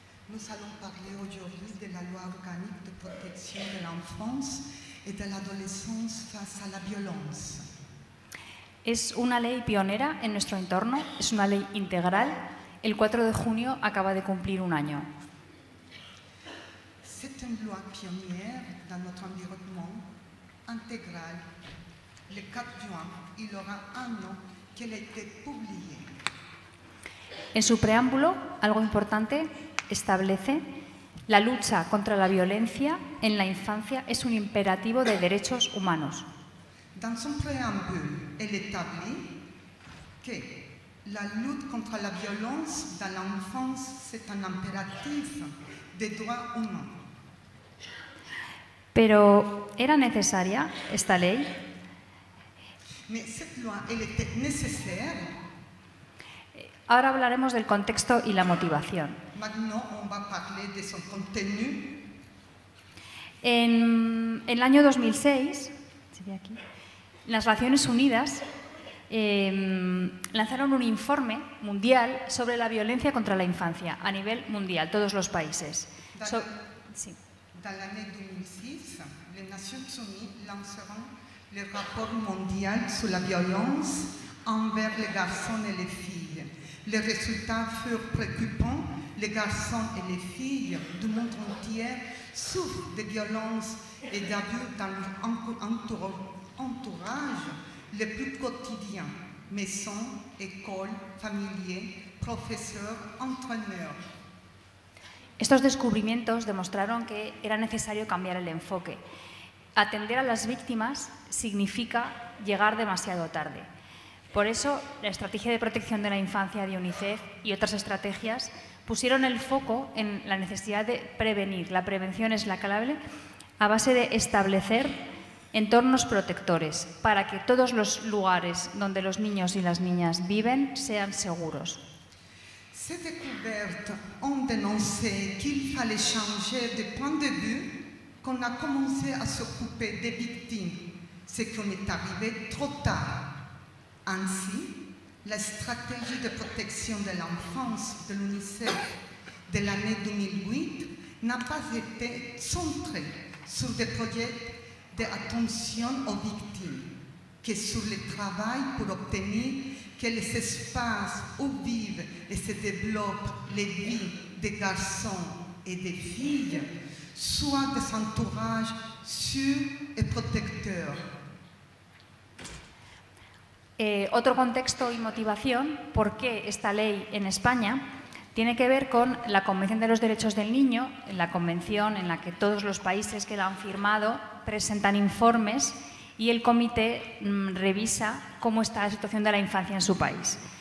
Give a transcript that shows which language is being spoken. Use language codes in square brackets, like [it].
[fr] Nous allons parler aujourd'hui de la loi organique de protection de l'enfance et de l'adolescence face à la violence. [es] Es una ley pionera en nuestro entorno, es una ley integral. El 4 de junio acaba de cumplir un año. [fr] C'est une loi pionnière dans notre environnement intégral. Le 4 juin, il aura un an qu'elle a été publiée. [es] En su preámbulo, algo importante establece la lucha contra la violencia en la infancia es un imperativo de derechos humanos. [fr] Dans son préambule, elle établit que la lutte contre la violence dans l'enfance c'est un impératif de droit humain. [es] Pero era necesaria esta ley? [fr] Mais cette loi, elle était nécessaire. [es] Ahora hablaremos del contexto y la motivación. [fr] On va parler de son contenu. [es] En el año 2006, aquí, las Naciones Unidas lanzaron un informe mundial sobre la violencia contra la infancia a nivel mundial, todos los países. En el año 2006, las Naciones Unidas lanzaron el informe mundial sobre la violencia [fr] envers les garçons et les filles. Les résultats furent préoccupants. Les garçons et les filles du monde entier souffrent de violences et d'abus dans leur entourage le plus quotidien, maison, école, familier, professeur, entraîneur. [es] Estos descubrimientos demostraron que era necesario cambiar el enfoque. Atender a las víctimas significa llegar demasiado tarde. Por eso, la estrategia de protección de la infancia de UNICEF y otras estrategias pusieron el foco en la necesidad de prevenir. La prevención es la clave a base de establecer entornos protectores para que todos los lugares donde los niños y las niñas viven sean seguros. [fr] Ces découvertes ont dénoncé qu'il fallait changer de point de vue qu'on a commencé à s'occuper des victimes, c'est qu'on est arrivé trop tard. Ainsi, la stratégie de protection de l'enfance de l'UNICEF de l'année 2008 n'a pas été centrée sur des projets d'attention aux victimes, que sur le travail pour obtenir que les espaces où vivent et se développent les vies des garçons et des filles soient des entourages sûrs et protecteurs. [es] Otro contexto y motivación, ¿por qué esta ley en España? Tiene que ver con la Convención de los Derechos del Niño, la convención en la que todos los países que la han firmado presentan informes y el comité revisa cómo está la situación de la infancia en su país.